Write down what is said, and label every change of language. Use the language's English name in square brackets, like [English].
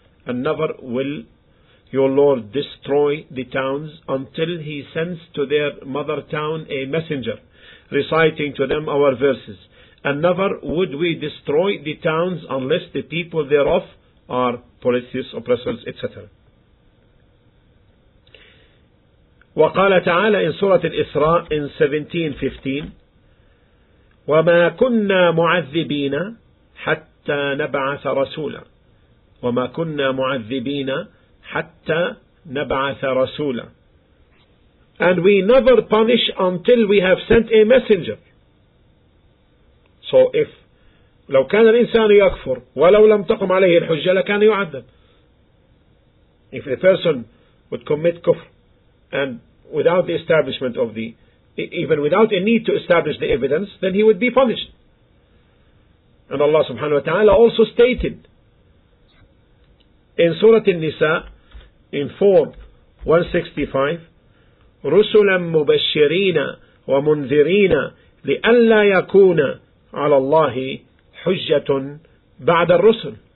[English] And never will your Lord destroy the towns until he sends to their mother town a messenger reciting to them our verses. And never would we destroy the towns unless the people thereof are polytheists, oppressors, etc. [Arabic] وقال تعالى [English] in Surah [Arabic] الإسراء in 17:15, وما كنا معذبين حتى نبعث رسولا وما كنا معذبين حتى نبعث رسولا. [English] And we never punish until we have sent a messenger. [Arabic] So if لو كان الإنسان يكفر ولو لم تقم عليه الحجة لكان يعذب. [English] If a person would commit كفر and without the establishment of the, even without a need to establish the evidence, then he would be punished. And Allah subhanahu wa ta'ala also stated in Surah An-Nisa in 4:165, [Arabic] رُسُلًا مُبَشِّرِينَ وَمُنذِرِينَ لِأَلَّا يَكُونَ عَلَى اللَّهِ حُجَّةٌ بَعْدَ الرُّسُلِ.